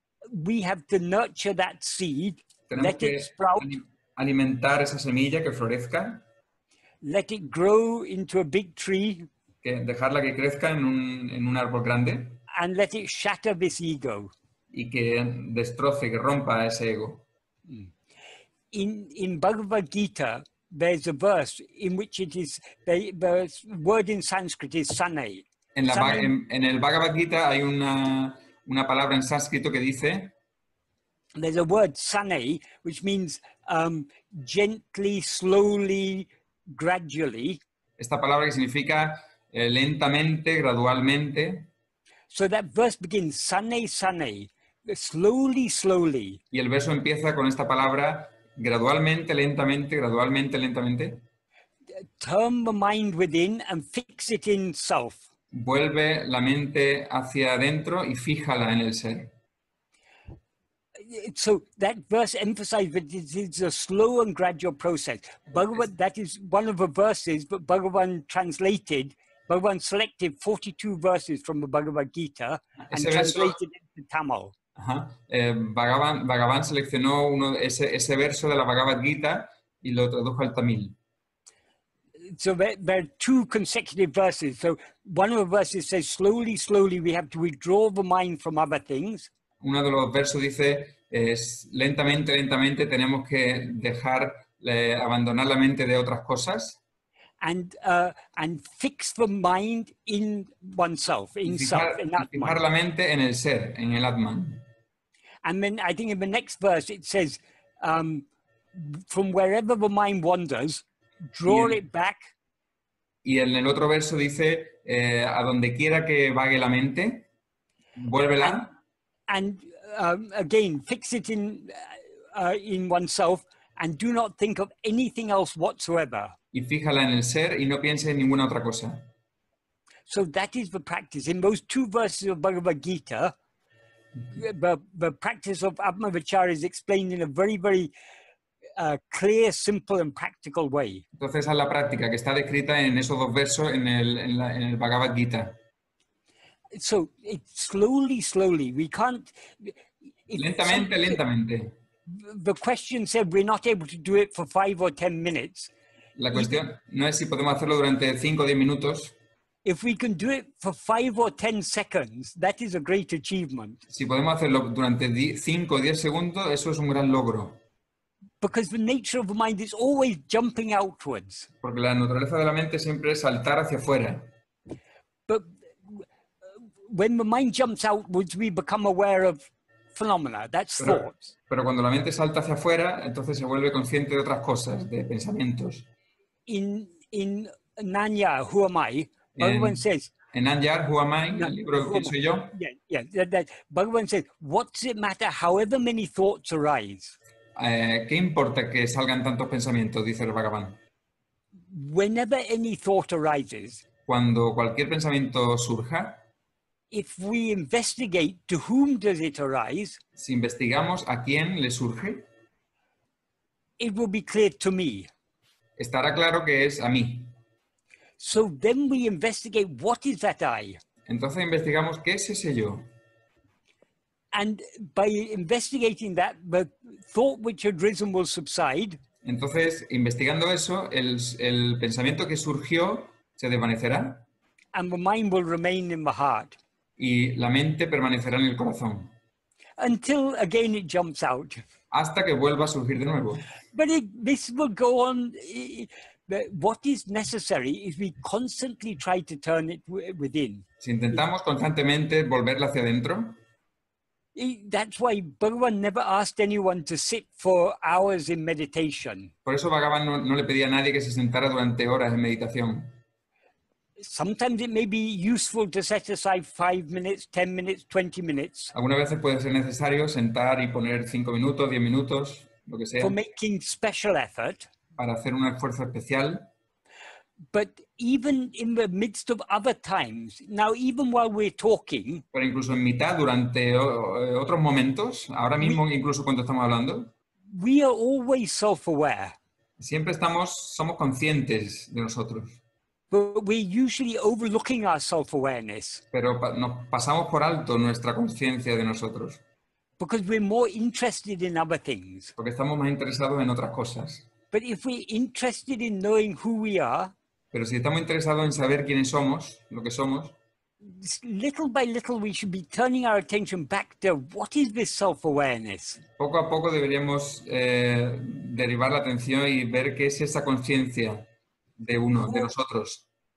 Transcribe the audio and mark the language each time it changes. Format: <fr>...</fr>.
<en>We have to nurture that seed, let it sprout.</en> <es>Alimentar esa semilla que florezca.</es> <en>Let it grow into a big tree.</en> <es>Que dejarla que crezca en un árbol grande.</es> <en>And let it shatter this ego.</en> <es>Y que destroce, que rompa ese ego.</es> <en>In Bhagavad Gita, there's a verse in which it is the word in Sanskrit is sane.</en> <es>En el Bhagavad Gita hay una palabra en sánscrito que dice.</es> <en>There's a word sane, which means gently, slowly, gradually.</en> <es>Esta palabra que significa lentamente, gradualmente.</es> <en>So that verse begins sane, sane, slowly, slowly.</en> <es>Y el verso empieza con esta palabra gradualmente, lentamente, gradualmente, lentamente.</es> <en>Turn the mind within and fix it in self.</en> <es>Vuelve la mente hacia adentro y fíjala en el ser.</es> <en>So that verse emphasizes that it is a slow and gradual process. Bhagavan, that is one of the verses that Bhagavan translated. Bhagavan selected 42 verses from the Bhagavad Gita and translated it into Tamil.</en> <es>Bhagavan seleccionó ese verso de la Bhagavad Gita y lo tradujo al Tamil.</es> <en>So there are two consecutive verses. So one of the verses says, slowly, slowly, we have to withdraw the mind from other things.</en> <es>Uno de los versos dice, lentamente, lentamente, tenemos que dejar, abandonar la mente de otras cosas.</es> <en>And fix the mind in oneself, in self, in Atman.</en> <es>Fijar la mente en el ser, en el Atman.</es> <en>And then I think in the next verse it says, from wherever the mind wanders, draw it back.</en> <es>Y en el otro verso dice, a donde quiera que vague la mente, vuélvela.</es> <en>And again, fix it in oneself and do not think of anything else whatsoever.</en> <es>Y fíjala en el ser y no piense en ninguna otra cosa.</es> <en>So that is the practice. In those two verses of Bhagavad Gita, the practice of Atma-vichara is explained in a very, very clear, simple and practical way.</en> <es>Entonces esa es la práctica que está descrita en esos dos versos en el Bhagavad Gita.</es> <en>So it's slowly, slowly. We can't.</en> <es>Lentamente, lentamente.</es> <en>The question said we're not able to do it for 5 or 10 minutes.</en> <es>La cuestión no es si podemos hacerlo durante 5 o 10 minutos.</es> <en>If we can do it for 5 or 10 seconds, that is a great achievement.</en> <es>Si podemos hacerlo durante 5 o 10 segundos, eso es un gran logro.</es> <en>Because the nature of the mind is always jumping outwards.</en> <es>Porque la naturaleza de la mente siempre es saltar hacia afuera.</es> <en>But when the mind jumps outwards, we become aware of phenomena. That's thoughts.</en> <es>Pero cuando la mente salta hacia afuera, entonces se vuelve consciente de otras cosas, de pensamientos.</es> <en>In Nanya, Who Am I? Bhagavan says.</en> <es>En Anyar, Who Am I? El libro de quién soy yo.</es> <en>Yeah. Bhagavan says, what does it matter? However many thoughts arise.</en> <es>¿Qué importa que salgan tantos pensamientos? Dice el Bhagavan.</es> <en>Whenever any thought arises.</en> <es>Cuando cualquier pensamiento surja.</es> <en>If we investigate, to whom does it arise?</en> <es>Si investigamos a quién le surge.</es> <en>It will be clear to me.</en> <es>Estará claro que es a mí.</es> <en>So then we investigate what is that I.</en> <es>Entonces investigamos qué es ese yo.</es> <en>And by investigating that, the thought which had risen will subside.</en> <es>Entonces investigando eso, el pensamiento que surgió se desvanecerá.</es> <en>And the mind will remain in the heart.</en> <es>Y la mente permanecerá en el corazón.</es> <en>Until again it jumps out.</en> <es>Hasta que vuelva a surgir de nuevo.</es> <en>But this will go on. What is necessary is we constantly try to turn it within.</en> <es>Si intentamos constantemente volverla hacia adentro.</es> <en>That's why Bhagavan never asked anyone to sit for hours in meditation.</en> <es>Por eso Bhagavan no le pedía a nadie que se sentara durante horas en meditación.</es> <en>Sometimes it may be useful to set aside 5 minutes, 10 minutes, 20 minutes.</en> <es>Algunas veces puede ser necesario sentar y poner 5 minutos, 10 minutos, lo que sea.</es> <en>For making special effort.</en> <es>Para hacer un esfuerzo especial.</es> <en>But even in the midst of other times, now even while we're talking.</en> <es>Pero incluso en mitad durante otros momentos, ahora mismo incluso cuando estamos hablando.</es> <en>We are always self-aware.</en> <es>Siempre somos conscientes de nosotros.</es> <en>But we're usually overlooking our self-awareness.</en> <es>Pero nos pasamos por alto nuestra conciencia de nosotros.</es> <en>Because we're more interested in other things.</en> <es>Porque estamos más interesados en otras cosas.</es> <en>But if we're interested in knowing who we are,</en> <es>pero si estamos interesados en saber quiénes somos, lo que somos,</es> <en>little by little we should be turning our attention back to what is this self-awareness.</en> <es>Poco a poco deberíamos derivar la atención y ver qué es esa conciencia de uno, de nosotros.</es>